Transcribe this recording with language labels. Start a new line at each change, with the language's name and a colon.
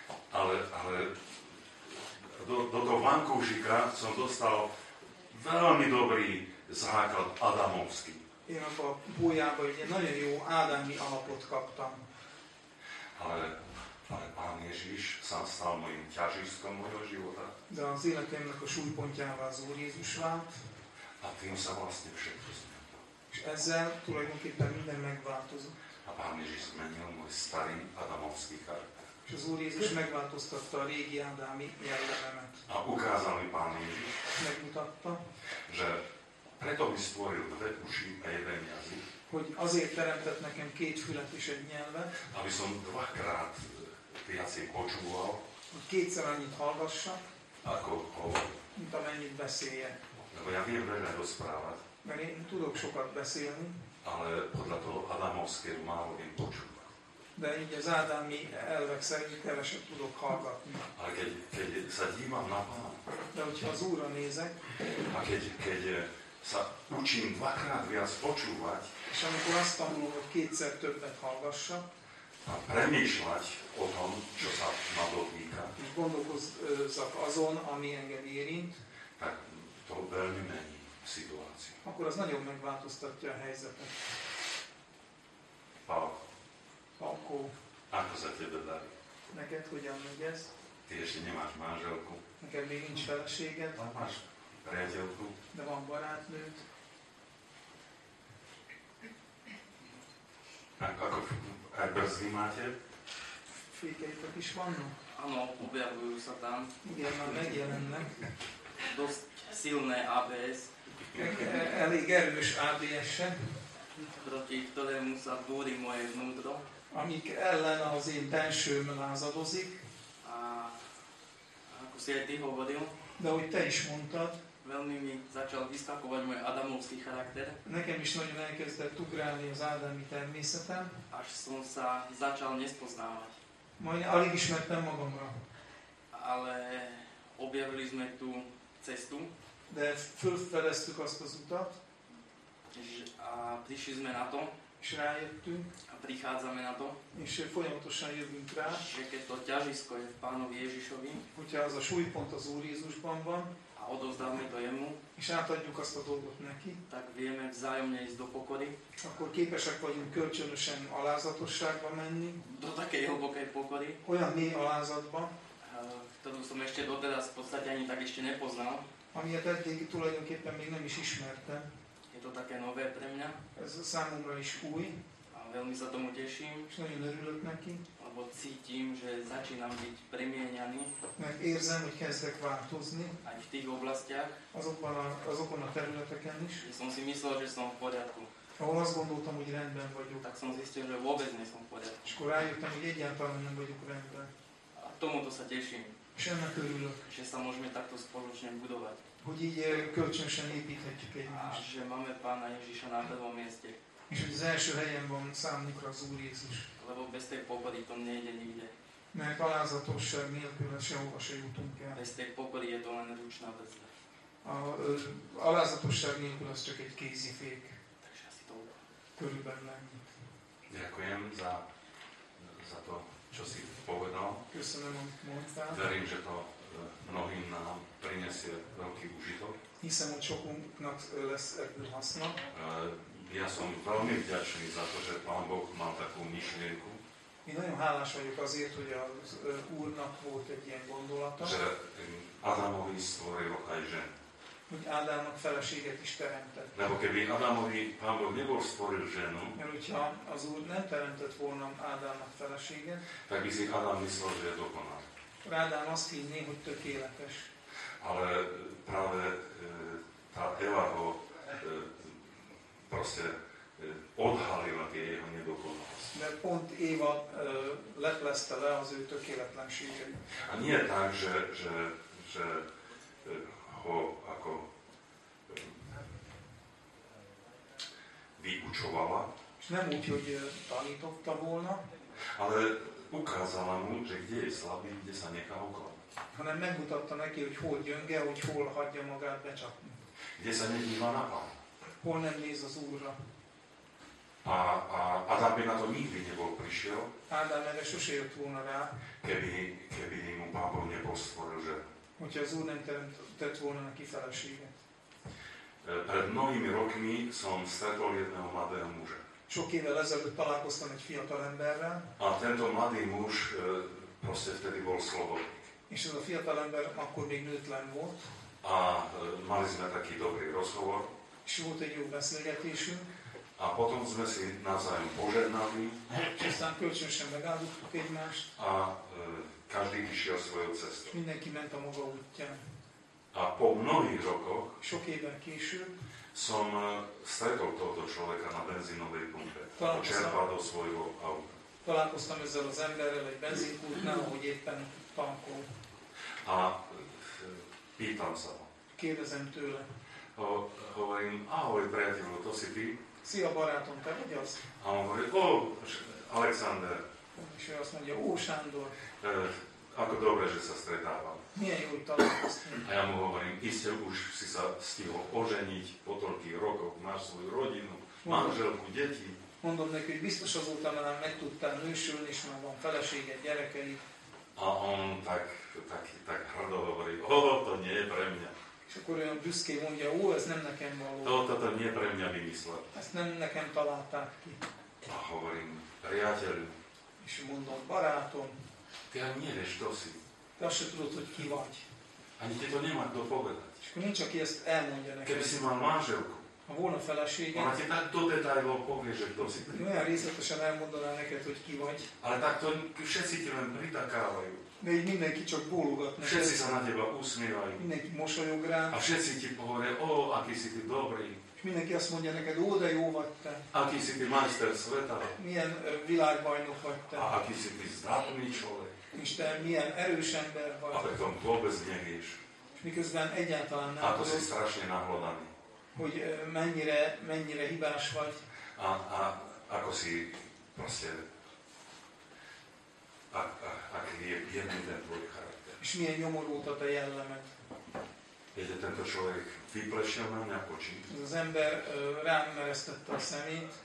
Slovak: Ale do toho vankúšika som dostal veľmi dobrý základ adamovský.
Hungarian: Én abba a pújába egy nagyon jó ádámi alapot kaptam.
Slovak: Ale Pán Ježiš sa sám stál mojim ťažiskom mojho života.
Hungarian: De az életemnek a súlypontjává az Úr Jézus vált.
Slovak: A tým sa vlastne všetko zmenil.
Hungarian: És ezzel tulajdonképpen minden megváltozott.
Slovak: A Pán Ježiš zmenil môj starý adamovský charakter.
Hungarian: És az Úr Jézus megváltoztatta a régi ádámi jellememet.
Slovak: A ukázal mi Pán Ježiš.
Hungarian: Megmutatta.
Slovak: Že preto mi stvoril dve uši a jeden jazyk.
Hungarian: Hogy azért teremtett nekem két fület és egy nyelvet.
Slovak: Aby som dvakrát viacej počúval.
Hungarian: Hogy kétszer annyit hallgassak.
Slovak: Ako hovorím.
Hungarian: Mint amennyit beszéljek.
Slovak: Lebo ja viem veľa rozprávať.
Hungarian: Mert én tudok sokat beszélni.
Slovak: Ale podľa toho adamovského málo viem počúvať.
Hungarian: De így az ádámi elvek szerint keveset tudok hallgatni.
Slovak: Ale keď sa dívam na Pána.
Hungarian: De hogyha az Úrra nézek.
Slovak: A keď sa učím dvakrát viac počúvať.
Hungarian: És amikor azt tanulom, hogy kétszer többet hallgassa.
Slovak: A premýšľať o tom, čo sa ma dotýka.
Hungarian: És gondolkozzak azon, ami engem érint.
Slovak: Tak to veľmi mení situáciu.
Hungarian: Akkor az nagyon megváltoztatja a helyzetet.
Slovak: Pálko. Ako sa tebe darí?
Hungarian: Neked hogyan megy ez?
Slovak: Ty ešte nemáš manželku.
Hungarian: Neked még nincs feleséged.
Slovak: Máš priateľku.
Hungarian: De van barátnőt.
Slovak: Ako brzdy máte?
Hungarian: Fékeitek is vannak?
Slovak: Áno, objavujú sa tam.
Hungarian: Igen, már megjelennek.
Slovak: Dosť silné ABS.
Hungarian: Elég erős ABS-e.
Slovak: Proti ktorému sa búri moje vnútro.
Hungarian: Amik ellen az én bensőm lázadozik.
Slovak: A ako si aj ty hovoril.
Hungarian: De ahogy te is mondtad.
Slovak: Veľmi mi začal vyskakovať môj adamovský charakter.
Hungarian: Nekem is nagyon elkezdett ugrálni az ádámi természetem.
Slovak: Až som sa začal nespoznávať.
Hungarian: Majd alig ismertem magamra.
Slovak: Ale objavili sme tú cestu.
Hungarian: De fölfedeztük azt az utat.
Slovak: A prišli sme na to.
Hungarian: És rájöttünk.
Slovak: A prichádzame na to.
Hungarian: És folyamatosan jövünk rá.
Slovak: Že keď to ťažisko je v Pánovi Ježišovi.
Hungarian: Hogyha az a súlypont az Úr Jézusban van.
Slovak: A odovzdáme to jemu.
Hungarian: És átadjuk azt a dolgot neki.
Slovak: Tak vieme vzájomne ísť do pokory.
Hungarian: Akkor képesek vagyunk kölcsönösen alázatosságba menni.
Slovak: Do takej hlbokej pokory.
Hungarian: Olyan mély alázatba.
Slovak: Ktorú som ešte doteraz v podstate ani tak ešte nepoznal.
Hungarian: Amiet eddig tulajdonképpen még nem is ismertem.
Slovak: Je to také nové pre mňa.
Hungarian: Ez számomra is új.
Slovak: A veľmi sa tomu teším.
Hungarian: És nagyon örülök neki.
Slovak: Lebo cítim, že začínam byť premieňaný.
Hungarian: Mert érzem, hogy kezdek változni.
Slovak: Aj v tých oblastiach.
Hungarian: Azokon a területeken is.
Slovak: Ja som si myslel, že som v poriadku.
Hungarian: Ahol azt gondoltam, hogy rendben vagyok.
Slovak: Tak som zistil, že vôbec nie som v poriadku.
Hungarian: És akkor rájöttem, hogy egyáltalán nem vagyok rendben.
Slovak: A tomuto sa teším.
Hungarian: És ennek örülök.
Slovak: Že sa môžeme takto spoločne budovať.
Hungarian: Hogy így kölcsönösen építhetjük egymást.
Slovak: A že máme Pána Ježiša na prvom mieste.
Hungarian: És hogy az első helyen van számunkra az Úr Jézus.
Slovak: Lebo bez tej pokory to nejde nikde.
Hungarian: Mert alázatosság nélkül sehova se jutunk el.
Slovak: Bez tej pokory je to len ručná brzda.
Hungarian: A alázatosság nélkül az csak egy kézifék.
Slovak: Takže asi to
Hungarian: körülbelül ennyi.
Slovak: Ďakujem za to, čo si povedal.
Hungarian: Köszönöm, amit mondtál.
Slovak: Verím, že to mnohým nám prinesie veľký užitok.
Hungarian: Hiszem, hogy sokunknak lesz ebből haszna.
Slovak: Ja som veľmi vďačný za to, že Pán Boh mal takú myšlienku.
Hungarian: Én nagyon hálás vagyok azért, hogy az Úrnak volt egy ilyen gondolata.
Slovak: Že Adamovi stvoril aj žen.
Hungarian: Hogy Ádámnak feleséget is teremtett.
Slovak: Lebo keby Adamovi Pán Boh nebol stvoril ženu.
Hungarian: Mert hogyha az Úr nem teremtett volna Ádámnak feleséget.
Slovak: Tak by si Ádám myslel, že je dokonal.
Hungarian: Ádám azt hinné, hogy tökéletes.
Slovak: Ale práve tá Eva ho proste odhalila tie jeho nedokonalosť.
Hungarian: Mert pont Éva leplezte le az ő tökéletlenségét.
Slovak: A nie tak, že ho ako vyučovala.
Hungarian: És nem úgy, hogy tanította volna.
Slovak: Ale ukázala mu, že kde je slabý, kde sa nechá ukladať.
Hungarian: Hanem megmutatta neki, hogy hol gyönge, hogy hol hagyja magát becsapni.
Slovak: Kde sa nedíva na Pána.
Hungarian: Hol nem néz az Úrra.
Slovak: A Ádám by na to nikdy nebol prišiel.
Hungarian: Ádám erre sose jött volna rá.
Slovak: Keby mu Pán Boh nebol stvoril, že...
Hungarian: Hogyha az Úr nem tett volna neki feleséget.
Slovak: Pred mnohými rokmi som stretol jedného mladého muža.
Hungarian: Sok évvel ezelőtt találkoztam egy fiatal emberrel.
Slovak: A tento mladý muž Proste vtedy bol slovo.
Hungarian: És ez a fiatal ember akkor még nőtlen volt.
Slovak: A mali sme taký dobrý rozhovor.
Hungarian: És volt egy jó beszélgetésünk.
Slovak: A potom sme si navzájom požehnali.
Hungarian: Aztán kölcsönösen megáldottuk egymást.
Slovak: A každý išiel svojou cestou.
Hungarian: Mindenki ment a maga útján.
Slovak: A po mnohých rokoch
Hungarian: sok évvel később
Slovak: som stretol tohoto človeka na benzínovej pumpe. Čerpal do svojho auta.
Hungarian: Találkoztam ezzel az emberrel egy benzínkútnál, ahogy éppen tankol.
Slovak: A pýtam sa ho.
Hungarian: Kérdezem tőle.
Slovak: Hovorím, ahoj, priateľu, to si ty?
Hungarian: Szia, barátom, te vagy az?
Slovak: A on hovorí, ó, Alexander.
Hungarian: És ő azt mondja, ó, Sándor.
Slovak: Ako dobre, že sa stretávam.
Hungarian: Milyen jó, hogy találkoztam.
Slovak: A ja mu hovorím, iste už si sa stihol oženiť po toľkých rokoch, máš svoju rodinu, manželku, deti.
Hungarian: Mondom neki, hogy biztos azóta már meg tudtál nősülni, és már van feleséged, gyerekeid.
Slovak: A on tak hrdo hovorí, oh, to nie je pre mňa.
Hungarian: És akkor olyan büszkén mondja, ó, ez nem nekem való.
Slovak: To nie je pre mňa vymyslel.
Hungarian: Ezt nem nekem találták ki.
Slovak: A hovorím, priateľu.
Hungarian: És mondom, barátom.
Slovak: Ty ani nevieš, kto si.
Hungarian: Te azt se tudod, hogy ki vagy.
Slovak: Ani ti to nemá kto povedať.
Hungarian: És akkor nincs, aki ezt elmondja neked.
Slovak: Keby si mal manželku.
Hungarian: Ha volna feleséged.
Slovak: Ha tak do detailov povieš, že kto si.
Hungarian: Olyan részletesen elmondaná neked, hogy ki vagy.
Slovak: Ale tak to všetci ti len pritakávajú.
Hungarian: De így mindenki csak bólogat neked.
Slovak: Všetci sa na teba usmívajú.
Hungarian: Mindenki mosolyog rád.
Slovak: A všetci ti povedia, ó, aký si ty dobrý.
Hungarian: És mindenki azt mondja neked, ó, de jó vagy te.
Slovak: Aký si ty majster sveta.
Hungarian: Milyen világbajnok vagy te.
Slovak: A aký si ty zdatný človek.
Hungarian: És te milyen erős ember vagy.
Slovak: A tak tam vôbec nehéš.
Hungarian: És miközben egyáltalán nem.
Slovak: A to si strašne nahlodaný.
Hungarian: Hogy mennyire hibás vagy.
Slovak: A ako si proste aký je biedný ten tvoj charakter.
Hungarian: És milyen nyomorú a te jellemet.
Slovak: Viete, tento človek vyplešil na mňa oči.
Hungarian: Az ember rám mereztette a szemét.